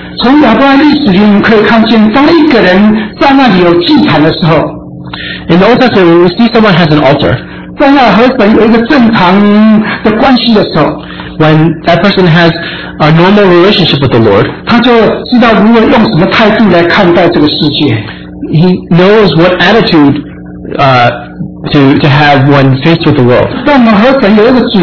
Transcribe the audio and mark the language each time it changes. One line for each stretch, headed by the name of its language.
Chinese: 从亚伯拉罕历史里，我们可以看见，当一个人在那里有祭坛的时候，
English: In the Old Testament, when we see someone has an altar.
Chinese: 在那和神有一个正常的关系的时候,
English: when that person has a normal relationship with the Lord,
Chinese: 他就知道如何用什么态度来看待这个世界。
English: He knows what attitude to have when faced with the world.